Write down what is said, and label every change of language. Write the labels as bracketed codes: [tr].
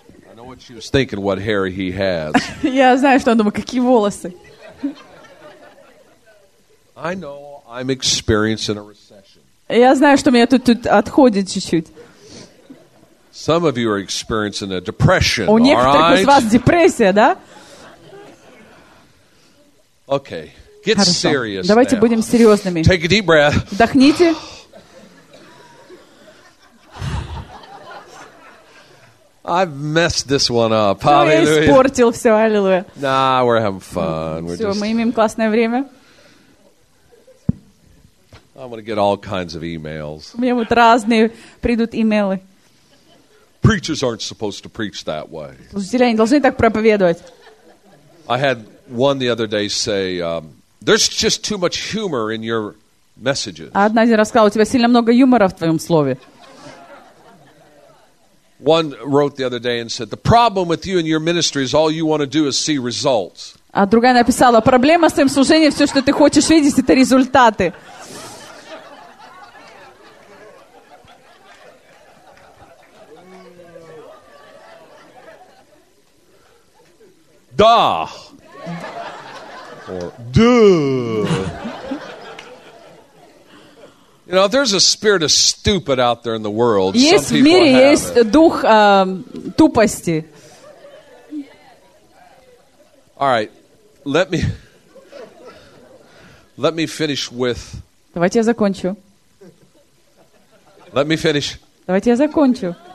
[en] I know what she was thinking, what hair he has. [ru] Я знаю, что она думает, какие волосы. [en] I know I'm experiencing a recession. [ru] Я знаю, что меня тут отходит чуть-чуть. [en] Some of you are experiencing a depression. [ru] У некоторых из вас депрессия, да? [en] Okay, get serious. [ru] Давайте будем серьезными. [en] Take a deep breath. [ru] Вдохните. [en] I've messed this one up. Hallelujah. [ru] Я испортил все, аллилуйя. [en] Nah, we're having fun. [ru] Все, мы имеем классное время. [en] I'm gonna get all kinds of emails. [ru] У меня будут разные придут имейлы. [en] Preachers aren't supposed to preach that way. [ru] Служители не должны так проповедовать. [en] I had one the other day say, "There's just too much humor in your messages." [ru] Одна из них рассказала, у тебя сильно много юмора в твоем слове. [en] One wrote the other day and said, "The problem with you and your ministry is all you want to do is see results." [ru] А другая написала, проблема с твоим служением, все, что ты хочешь видеть, это результаты. Да. [en] Or duh. You know, if there's a spirit of stupid out there in the world, some people have. [ru] Есть в мире есть дух тупости. [en] All right. Let me finish with. [ru] Давайте я закончу. [en] Let me finish. [ru] Давайте я закончу.